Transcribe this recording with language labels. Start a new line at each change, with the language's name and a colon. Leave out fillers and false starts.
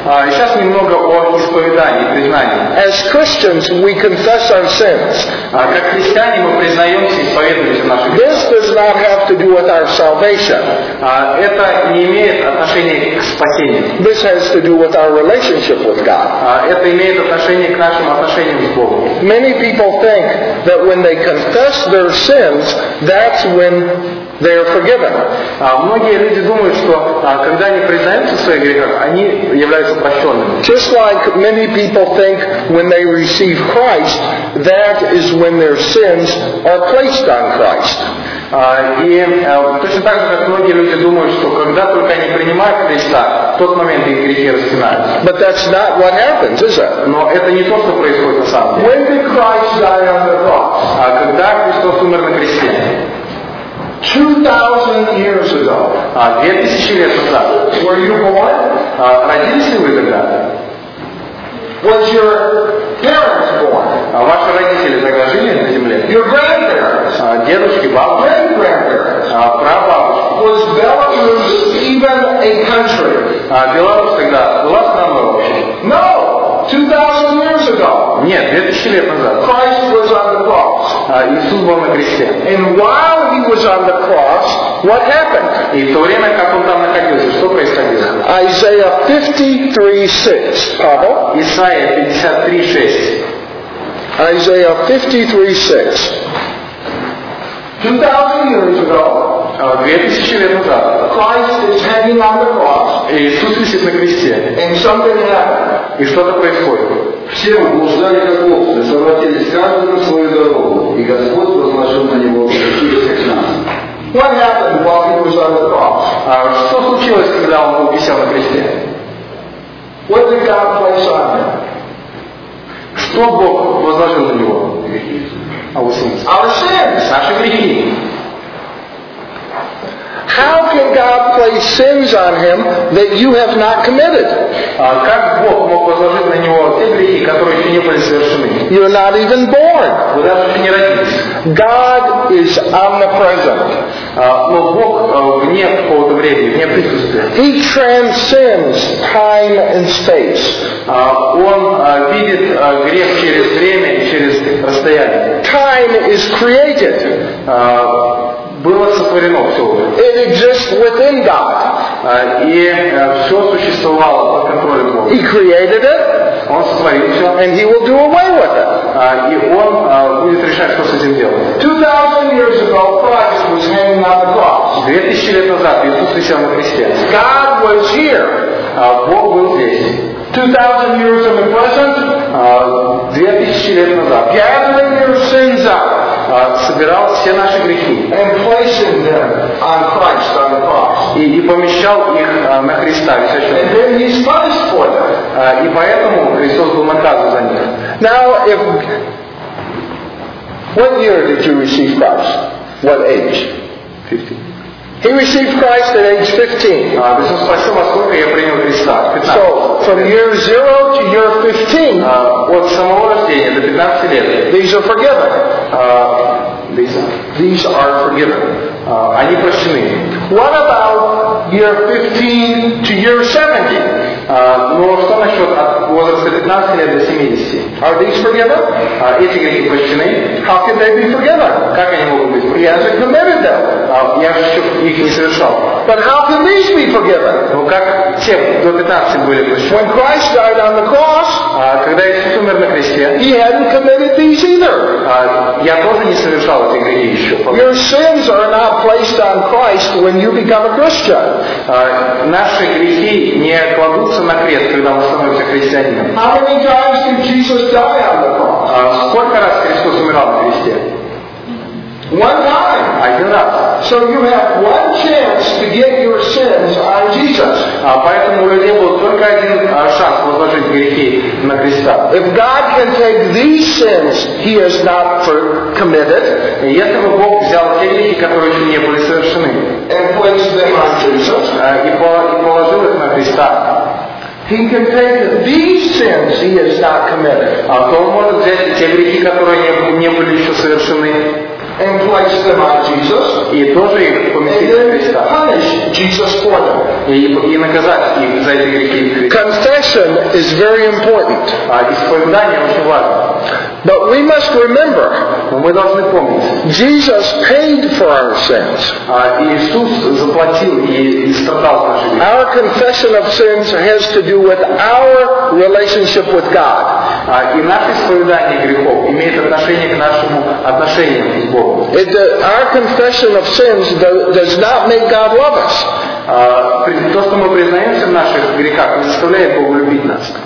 Russian: Сейчас немного о исповедании, признании.
English: As Christians, we confess our sins.
Russian: Как христиане, мы признаемся и исповедуемся наши грехи.
English: This does not have to do with our salvation.
Russian: Это не имеет отношения к спасению.
English: This has to do with our relationship with God.
Russian: Это имеет отношение к нашим отношениям с Богом.
English: Many people think that when they confess their sins, that's when they are forgiven.
Russian: Многие люди думают, что когда они признаются в своих грехах, они являются прощенными.
English: Just like many people think when they receive Christ, that is when their sins are placed on Christ.
Russian: Точно так же, как многие люди думают, что когда только они принимают Христа, в тот момент их грехи распинаются.
English: But that's not what happens, is it?
Russian: Но это не то, что происходит на самом деле.
English: When did Christ die on the cross?
Russian: Когда Христос умер на кресте?
English: 2000 years ago.
Russian: 2000 лет назад.
English: Were you born?
Russian: Родились ли вы тогда?
English: Was your parents born?
Russian: Ваши родители тогда жили на земле?
English: Your grandparents?
Russian: Дедушки, бабушки?
English: Great-grandparents?
Russian: Прабабушки?
English: Was Belarus even a country?
Russian: Беларусь тогда была страной вообще?
English: No! 2000 years ago.
Russian: Нет, 2000 лет назад.
English: Christ was on the cross.
Russian: Иисус был на кресте.
English: And while he was on the cross, what happened?
Russian: И в то время, как он там находился, что происходило?
English: Isaiah 53:6. Павел.
Russian: Исайя 53:6.
English: Isaiah 53:6. 2000 years ago.
Russian: 2000 лет назад.
English: Christ is hanging on the cross.
Russian: Иисус висит на кресте.
English: And something happened.
Russian: И что-то происходит. Все мы блуждали как овцы, совратились каждый на свою дорогу, и Господь возложил на него грехи всех нас.
English: What happened while he was on the cross?
Russian: Что случилось, когда он был висел на кресте?
English: What did God place on him?
Russian: Что Бог возложил на него?
English: Our sins.
Russian: Наши грехи.
English: How can God place sins on him that you have not committed?
Russian: Как Бог мог возложить на него те грехи, которые еще не были совершены?
English: You're not even born.
Russian: Вы даже еще не родились.
English: God is omnipresent.
Russian: Но Бог вне какого-то времени, вне присутствия.
English: He transcends time and space.
Russian: Он видит грех через время и через расстояние.
English: Time is created.
Russian: Было сотворено все.
English: It exists within God.
Russian: Все существовало под контролем Бога.
English: He created it.
Russian: Он сотворил все.
English: And he will do away with it.
Russian: И он будет решать, что с этим делать.
English: 2000 years ago, Christ was hanging on the cross.
Russian: 2000 лет назад Иисус висел на кресте.
English: God was here.
Russian: Бог был здесь.
English: 2000 years in the present.
Russian: 2000 лет назад.
English: Gathering your sins up.
Russian: Собирал все наши грехи.
English: And placing them on Christ on the cross.
Russian: И помещал их на Христа.
English: And then he's punished for them.
Russian: И поэтому Христос был наказан за них.
English: Now, if what year did you receive Christ? What age? 15. He received Christ at age 15. So, from year 0 to year 15,
Russian: от самого рождения до 15 лет,
English: these are forgiven. These are forgiven.
Russian: Они прощены.
English: What about year 15 to year 70?
Russian: Но что насчет от возраста 15 лет до 70?
English: Are these forgiven?
Russian: Эти грехи прощены.
English: How can they be forgiven?
Russian: Как они могут быть?
English: He hasn't committed them.
Russian: Я еще их не совершал.
English: But how can these be forgiven?
Russian: Но как те до 15 были прощены?
English: When Christ died on the cross,
Russian: когда Иисус умер на кресте,
English: he hadn't committed these either.
Russian: Я тоже не совершал эти грехи еще.
English: Your sins are not placed on Christ when you become a Christian.
Russian: Наши грехи не кладутся на крест, когда мы становимся христианином.
English: How many times did Jesus die on the cross?
Russian: Сколько раз Христос умирал на кресте?
English: One time.
Russian: Один раз.
English: So you have one chance to get your sins on Jesus.
Russian: Поэтому у людей был только один шанс возложить грехи на Христа.
English: If God can take these sins he has not committed,
Russian: если бы Бог взял те грехи, которые еще не были совершены,
English: and placed them on Jesus,
Russian: и положил их на Христа,
English: he can take these sins he has not committed.
Russian: То он может взять те грехи, которые не были еще совершены,
English: and place them on Jesus.
Russian: И тоже их поместить на Христа.
English: Punish Jesus for them.
Russian: И наказать их за эти грехи.
English: Confession is very important.
Russian: Исповедание очень важно.
English: But we must remember.
Russian: Но мы должны помнить.
English: Jesus paid for our sins.
Russian: Иисус заплатил и страдал за наши грехи.
English: Our confession of sins has to do with our relationship with God.
Russian: И наше исповедание грехов имеет отношение к нашему отношению с Богом.
English: Our confession of sins does not make God love us.
Russian: То, что мы признаемся в наших грехах, не заставляет Бога любить нас.